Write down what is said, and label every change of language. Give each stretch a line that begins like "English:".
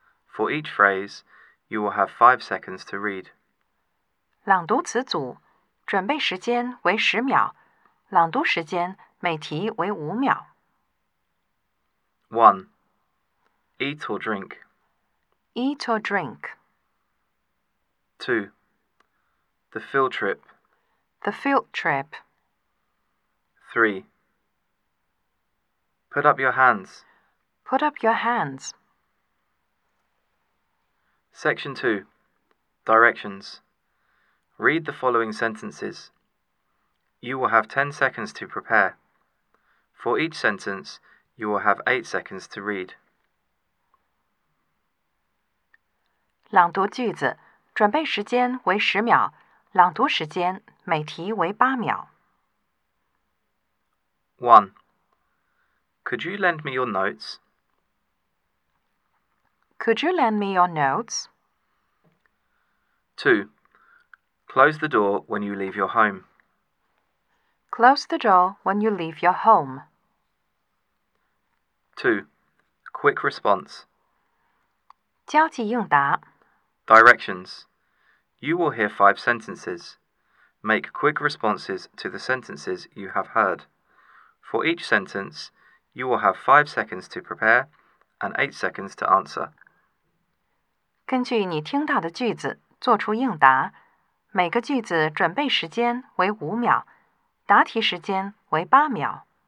English: For each phrase, you will have 5 seconds to read.
Chinese: 朗读词组，准备时间为10秒，朗读时间每题为5秒。
English: 1. Eat or drink. Eat or drink. 2. The field trip. The field trip. 3. Put up your hands. Put up your hands. Section 2. Directions. Read the following sentences. You will have 10 seconds to prepare. For each sentence, you will have 8 seconds to read.
Chinese: 朗读句子，准备时间为10秒，朗读时间每题为8秒。
English: 1. Could you lend me your notes? Could you lend me your notes? 2. Close the door when you leave your home. Close the door when you leave your home. 2. Quick response.
Chinese: 交际应答
English: Directions. You will hear 5 sentences. Make quick responses to the sentences you have heard. For each sentence, you will have 5 seconds to prepare and 8 seconds to answer.
Chinese: 根据你听到的句子做出应答，每个句子准备时间为5秒，答题时间为8秒。